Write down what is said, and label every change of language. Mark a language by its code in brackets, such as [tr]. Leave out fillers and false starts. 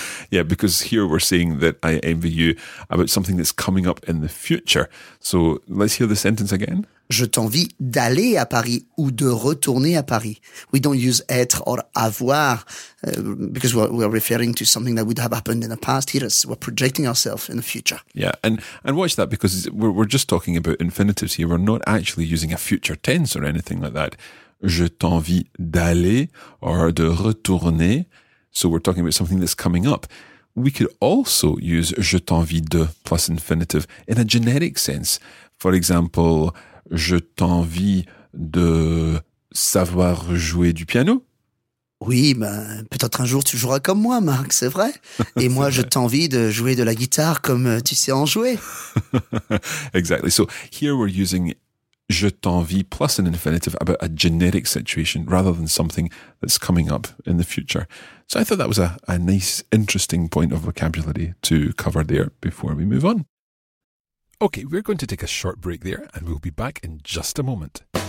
[en] Yeah, because here we're saying that I envy you about something that's coming up in the future. So let's hear the sentence again. [fr] Je t'envie d'aller à Paris ou de retourner à Paris. [en] We don't use être or avoir because we're referring to something that would have happened in the past. Here we're projecting ourselves in the future. Yeah, and watch that because we're just talking about infinitives here. We're not actually using a future tense or anything like that. [fr] Je t'envie d'aller or de retourner. [en] So we're talking about something that's coming up. We could also use [fr] je t'envie de [en] plus infinitive in a generic sense. For example, [fr] je t'envie de savoir jouer du piano. Oui, ben, peut-être un jour tu joueras comme moi, Marc, c'est vrai. Et c'est moi, vrai. Je t'envie de jouer de la guitare comme tu sais en jouer. [en] Exactly. So here we're using [fr] je t'envie [en] plus an infinitive about a generic situation rather than something that's coming up in the future. So I thought that was a nice, interesting point of vocabulary to cover there before we move on. Okay, we're going to take a short break there and we'll be back in just a moment.